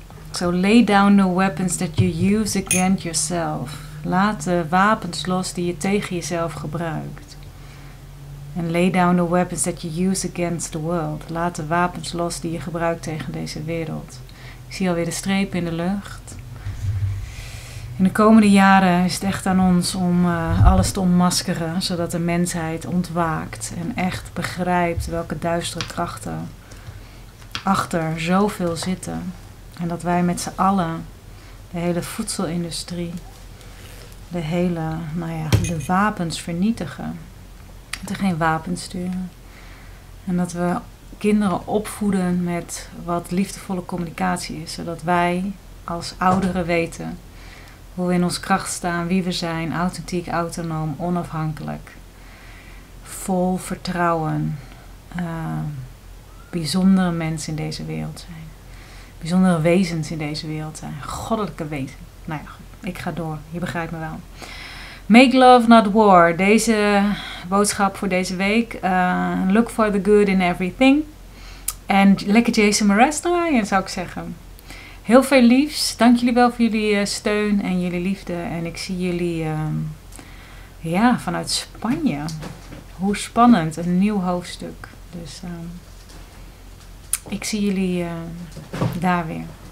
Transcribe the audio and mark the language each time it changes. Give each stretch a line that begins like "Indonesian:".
English: So lay down the weapons that you use against yourself.
Dutch: Laat de wapens los die je tegen jezelf gebruikt.
English: And lay down the weapons that you use against the world.
Dutch: Laat de wapens los die je gebruikt tegen deze wereld. Ik zie alweer de streep in de lucht. In de komende jaren is het echt aan ons om alles te ontmaskeren, zodat de mensheid ontwaakt en echt begrijpt welke duistere krachten achter zoveel zitten. En dat wij met z'n allen, de hele voedselindustrie, de hele, nou ja, de wapens vernietigen. Dat er geen wapens sturen. En dat we kinderen opvoeden met wat liefdevolle communicatie is, zodat wij als ouderen weten hoe we in ons kracht staan, wie we zijn, authentiek, autonoom, onafhankelijk, vol vertrouwen, bijzondere mensen in deze wereld zijn. Bijzondere wezens in deze wereld zijn. Goddelijke wezens. Nou ja, ik ga door. Je begrijpt me wel.
English: Make love, not war.
Dutch: Deze boodschap voor deze week.
English: Look for the good in everything.
Dutch: En lekker Jason Mraz draaien, zou ik zeggen. Heel veel liefs. Dank jullie wel voor jullie steun en jullie liefde. En ik zie jullie vanuit Spanje. Hoe spannend. Een nieuw hoofdstuk. Dus ik zie jullie daar weer.